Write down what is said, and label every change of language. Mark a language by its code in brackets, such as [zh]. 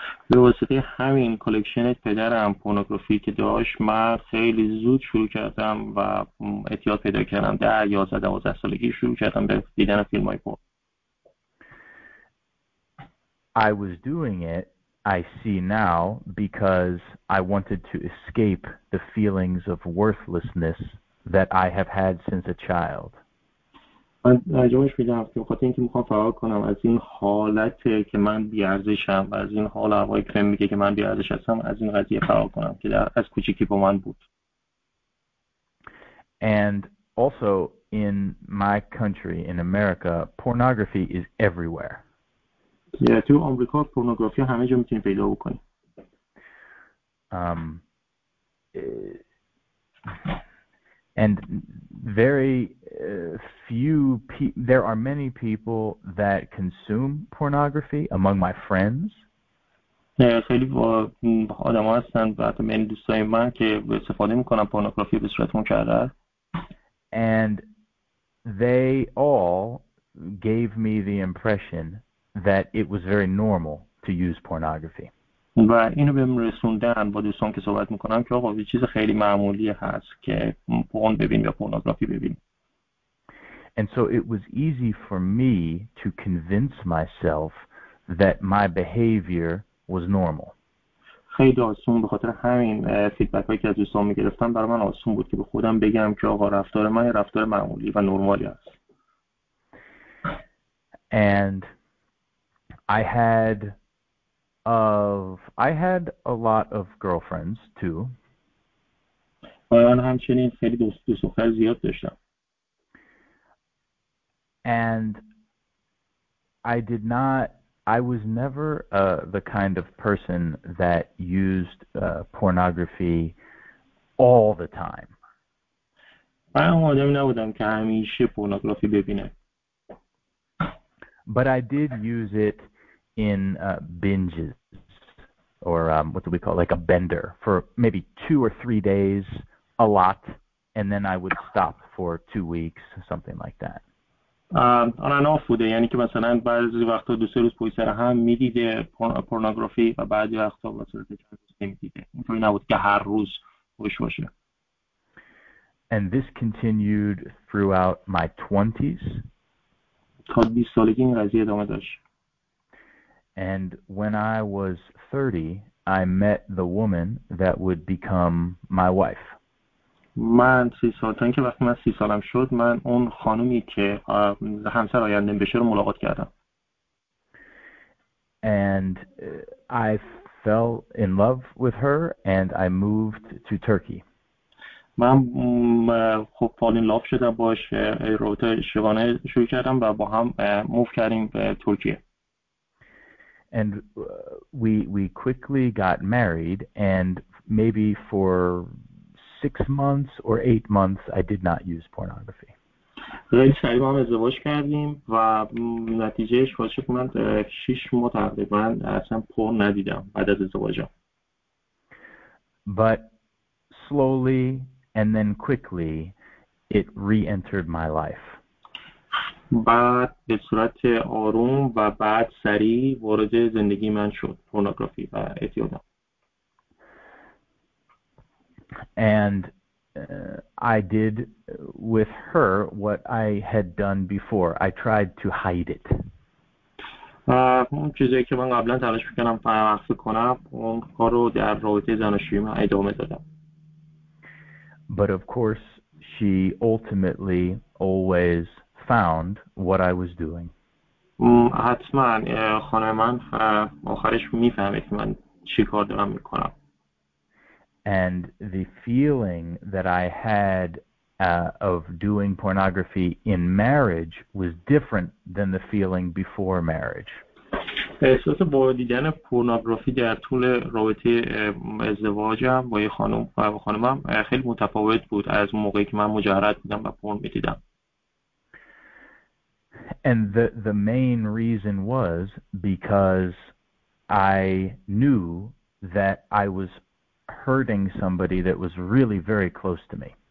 [fa] به واسطه همین کلکشن پدرم پورنوگرافی که داشت من خیلی زود شروع کردم و اعتیاد پیدا کردم. 10-11 سالگی شروع کردم به دیدن فیلم های پورن. [en] I was doing it I see now because I wanted to escape the feelings of worthlessness that I have had since a child. [fa] من ترجمهش میدم به خاطر اینکه میخوام فرار کنم از این حالت که من بیارزشم و از این حال هوای کرم میگه که من بیارزش هستم از این قضیه فرار کنم که در از کوچیکی با من بود. [en] And also in my country, in America, pornography is everywhere. [fa] Yeah, تو آمریکا پورنوگرافی همه جا میتونی پیدا بکنی. [en] And very few there are many people that consume pornography among my friends. [fa] خیلی آدم هستن و حتی من دوستای من که استفاده میکنن پورنوگرافی به صورت مکرر. [en] And they all gave me the impression that it was very normal to use pornography. [fa] و اینو بهم رسوندن با دوستان که صحبت میکنم که آقا یه چیز خیلی معمولی هست که پورن ببین یا پورنوگرافی ببین. [en] And so it was easy for me to convince myself that my behavior was normal. [fa] خیلی آسون به خاطر همین فیدبک هایی که از دوستان میگرفتم برای من آسون بود که به خودم بگم که آقا رفتار من رفتار معمولی و نرمالی است. [en] And I had a lot of girlfriends too. [fa] و من همچنین خیلی دوست دختر زیاد داشتم. [en] And I was never the kind of person that used pornography all the time. [fa] من آدم نبودم که همیشه پورنوگرافی ببینم. [en] But I did use it in binges, or what do we call it? Like a bender, for maybe 2 or 3 days, a lot, and then I would stop for 2 weeks, something like that. [fa] آن آن آف بوده یعنی که مثلا بعضی وقتا دو سه روز پای سر هم میدیده پورنوگرافی و بعضی وقتا به صورت چند روز نمیدیده اینطوری نبود که هر روز خوش باشه. [en] And this continued throughout my 20s. [fa] تا 20 سالگی این قضیه ادامه داشت. [en] And when I was 30, I met the woman that would become my wife. [fa] من 30 سال تا اینکه وقتی من 30 سالم شد من اون خانومی که همسر آینده بشه رو ملاقات کردم. [en] And I fell in love with her and I moved to Turkey. [fa] من خب [en] fall in love [fa] شدم باش رابطه شبانه شروع کردم و با هم موف کردیم به ترکیه. [en] And we quickly got married and maybe for 6 months or 8 months, I did not use pornography. [fa] خیلی سریع با هم ازدواج کردیم و نتیجهش باعث شد من 6 ماه تقریبا اصلا پورن ندیدم بعد از ازدواجم. [en] But slowly and then quickly, it re-entered my life. [fa] بعد به صورت آروم و بعد سریع وارد زندگی من شد پورنوگرافی و اعتیادم. [en] And I did with her what I had done before. I tried to hide it. [fa] اون چیزی که من قبلا تلاش میکردم مخفی کنم اون کار رو در رابطه زناشویی من ادامه دادم. [en] But of course she ultimately always found what I was doing. [fa] حتما خانم من آخرش میفهمه که من چی کار دارم میکنم. [en] And the feeling that I had of doing pornography in marriage was different than the feeling before marriage. [fa] احساس با دیدن پورنوگرافی در طول رابطه ازدواجم با خانمم خیلی متفاوت بود از موقعی که من مجرد بودم و پورن می‌دیدم. [en] And the main reason was because I knew that I was hurting somebody that was really very close to me.